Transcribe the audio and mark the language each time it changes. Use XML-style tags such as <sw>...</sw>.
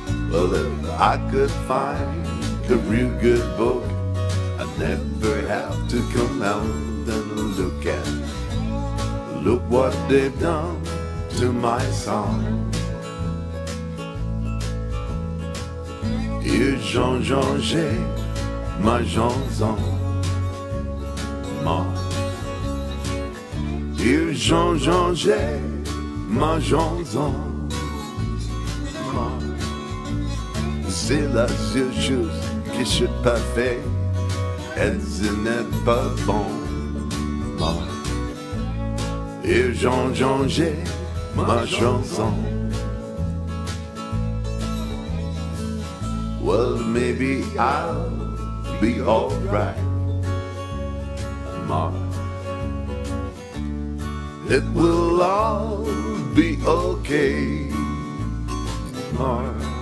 <en>Well, if I could find a real good book, I'd never have to come out and look at. Look what they've done to my song.</en> <fr>Ils ont changé ma chanson. Ils ont changé ma chanson. C'est la seule chose que je n'ai pas fait. Elle n'est pas bonne. Ils ont changé ma chanson.</fr> <en>Well, maybe I'll be all right. More. It will all be okay. More.</en>